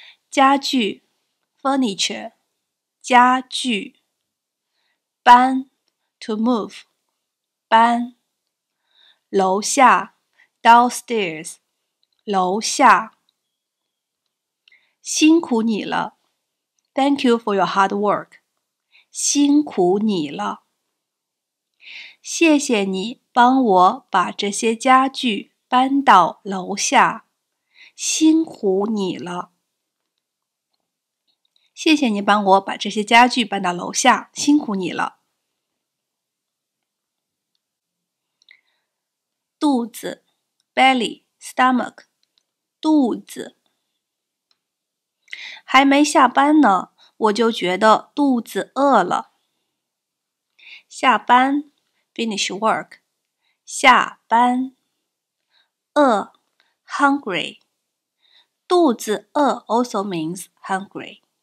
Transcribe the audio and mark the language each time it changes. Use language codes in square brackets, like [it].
[zh] 家具 furniture, 家具。搬 [en] to move, [zh] 搬。楼下 downstairs, 楼下。辛苦你了。 [en] Thank you for your hard work. [zh] 辛苦你了。谢谢你帮我把这些家具搬到楼下。辛苦你了。谢谢你帮我把这些家具搬到楼下。辛苦你了。肚子 , [en] belly, stomach, [zh] 肚子。还没下班呢，我就觉得肚子饿了。下班 , [en] finish work, [zh] 下班。 [en] 饿 ,hungry, 肚子饿 also means hungry。